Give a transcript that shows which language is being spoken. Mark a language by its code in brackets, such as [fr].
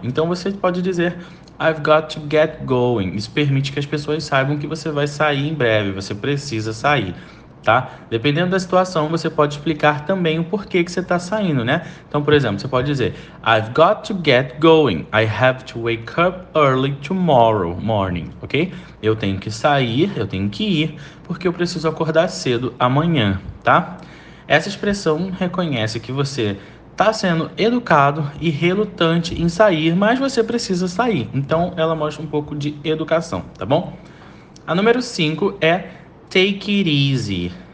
[pt] Então você pode dizer [en] I've got to get going. [pt] Isso permite que as pessoas saibam que você vai sair em breve, você precisa sair, tá? Dependendo da situação, você pode explicar também o porquê que você está saindo, né? Então, por exemplo, você pode dizer [en] I've got to get going. I have to wake up early tomorrow morning, ok? [pt] Eu tenho que sair, eu tenho que ir, porque eu preciso acordar cedo amanhã, tá? Essa expressão reconhece que você está sendo educado e relutante em sair, mas você precisa sair. Então, ela mostra um pouco de educação, tá bom? A número 5 é [en] take it easy.